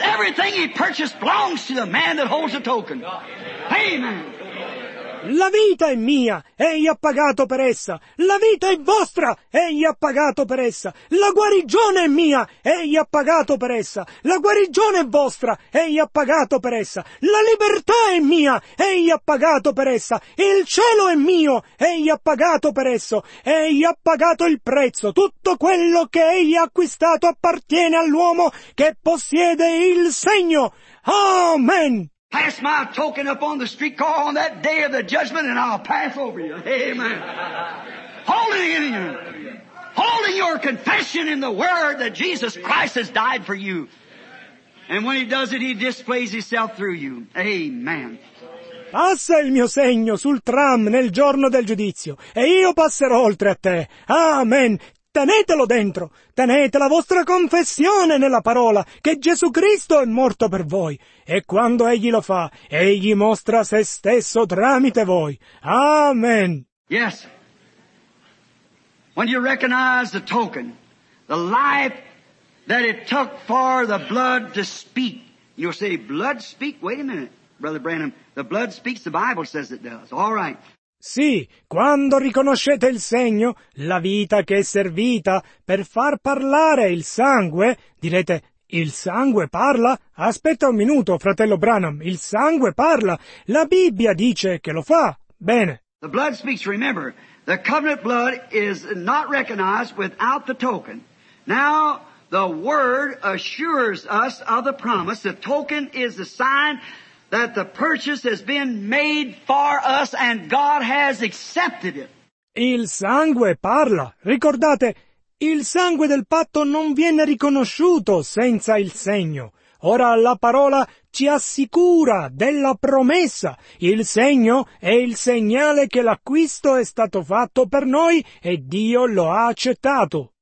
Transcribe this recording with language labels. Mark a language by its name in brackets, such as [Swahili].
[English] Everything he purchased belongs to the man that holds the token. Amen. [Italian] La vita è mia, egli ha pagato per essa. La vita è vostra, egli ha pagato per essa. La guarigione è mia, egli ha pagato per essa. La guarigione è vostra, egli ha pagato per essa. La libertà è mia, egli ha pagato per essa. Il cielo è mio, egli ha pagato per esso. Egli ha pagato il prezzo. Tutto quello che egli ha acquistato appartiene all'uomo che possiede il segno. Amen. [English] Pass my token up on the streetcar on that day of the judgment and I'll pass over you. Amen. Holding it in you. Holding your confession in the word that Jesus Christ has died for you. And when he does it, he displays himself through you. Amen. [Italian] Passa il mio segno sul tram nel giorno del giudizio e io passerò oltre a te. Amen. Tenetelo dentro, tenete la vostra confessione nella parola che Gesù Cristo è morto per voi. E quando Egli lo fa, Egli mostra se stesso tramite voi. Amen. [English] Yes. When you recognize the token, the life that it took for the blood to speak, you'll say, blood speak? Wait a minute, Brother Branham. The blood speaks, the Bible says it does. All right. [Italian] Sì, quando riconoscete il segno, la vita che è servita per far parlare il sangue, direte, il sangue parla? Aspetta un minuto, fratello Branham, il sangue parla? La Bibbia dice che lo fa. Bene. [English] The blood speaks, remember, the covenant blood is not recognized without the token. Now, the word assures us of the promise, the token is the sign that the purchase has been made for us and God has accepted it. [Italian] Il sangue parla. Ricordate, il sangue del patto non viene riconosciuto senza il segno. Ora la parola ci assicura della promessa. Il segno è il segnale che l'acquisto è stato fatto per noi e Dio lo ha accettato.